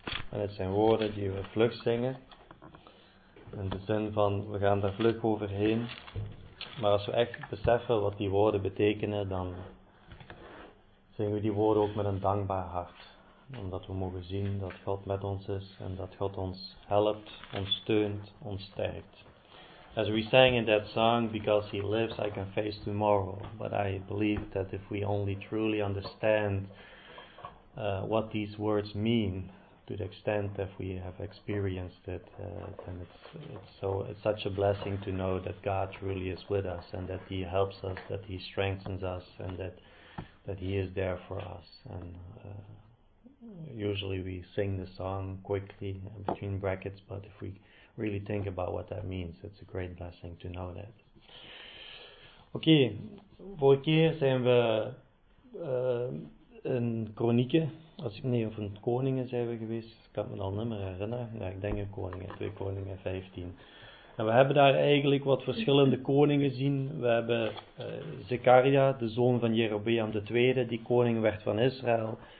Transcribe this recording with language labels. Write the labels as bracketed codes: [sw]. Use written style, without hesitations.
[nl] En het zijn woorden die we vlug zingen. In de zin van, we gaan daar vlug overheen. Maar als we echt beseffen wat die woorden betekenen, dan zingen we die woorden ook met een dankbaar hart. Omdat we mogen zien dat God met ons is en dat God ons helpt, ons steunt, ons sterkt. [en] As we sang in that song, because he lives, I can face tomorrow. But I believe that if we only truly understand what these words mean, to the extent that we have experienced it, then it's such a blessing to know that God truly is with us, and that he helps us, that he strengthens us, and that he is there for us. And usually we sing the song quickly, between brackets, but if we really think about what that means, it's a great blessing to know that. [nl] Oké, vorige keer zijn we in Kronieken, of in Koningen zijn we geweest, ik kan me al niet meer herinneren, ja, ik denk in Koningen, 2 Koningen 15. En we hebben daar eigenlijk wat verschillende koningen zien. We hebben Zekaria, de zoon van Jerobeam de tweede, die koning werd van Israël.